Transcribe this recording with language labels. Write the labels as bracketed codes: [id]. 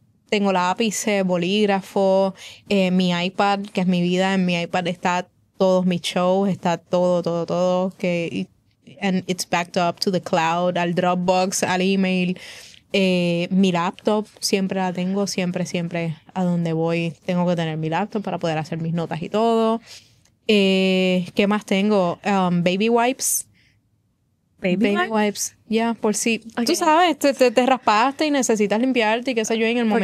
[es] Tengo lápices, bolígrafo, mi iPad, que es mi vida. En mi iPad está todos mis shows, está todo. [en] And it's backed up to the cloud, [es] al Dropbox, al email. Mi laptop siempre la tengo, siempre a donde voy tengo que tener mi laptop para poder hacer mis notas y todo. ¿Qué más tengo? Baby wipes. [en] Baby wipes. [es] Ya, yeah, por si. Okay. Tú sabes, te raspaste y necesitas limpiarte y qué sé yo, en el momento.